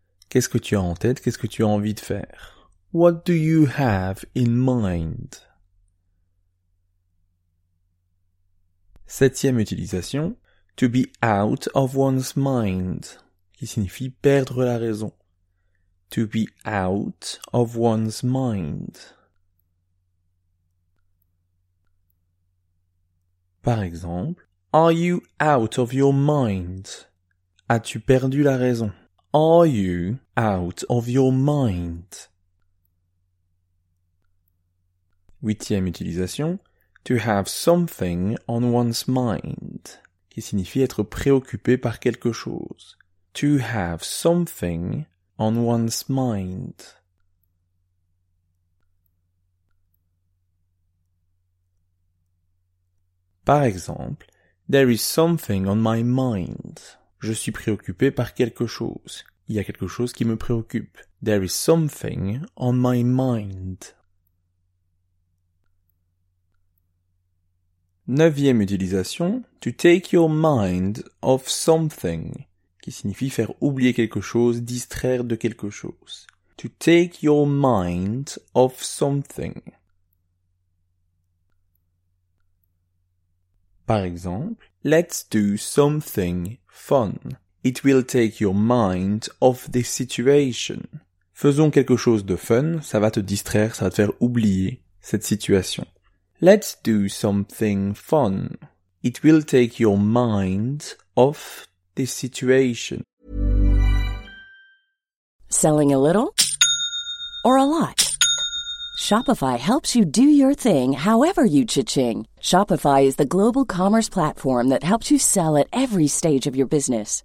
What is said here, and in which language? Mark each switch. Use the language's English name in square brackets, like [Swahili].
[French] Qu'est-ce que tu as en tête? Qu'est-ce que tu as envie de faire? [English] What do you have in mind? [French] Septième utilisation, [English] to be out of one's mind, [French] qui signifie perdre la raison. [English] To be out of one's mind. [French] Par exemple, [English] are you out of your mind? [French] As-tu perdu la raison? [English] Are you out of your mind? [French] Huitième utilisation, [English] to have something on one's mind, [French] qui signifie être préoccupé par quelque chose. [English] To have something on one's mind. [French] Par exemple, [English] there is something on my mind. [French] Je suis préoccupé par quelque chose. Il y a quelque chose qui me préoccupe. [English] There is something on my mind. [French] Neuvième utilisation, [English] to take your mind off something, [French] qui signifie faire oublier quelque chose, distraire de quelque chose. [English] To take your mind off something. [French] Par exemple, [English] let's do something fun. It will take your mind off this situation. [French] Faisons quelque chose de fun, ça va te distraire, ça va te faire oublier cette situation. [English] Let's do something fun. It will take your mind off this situation. Selling a little or a lot? Shopify helps you do your thing however you cha-ching. Shopify is the global commerce platform that helps you sell at every stage of your business.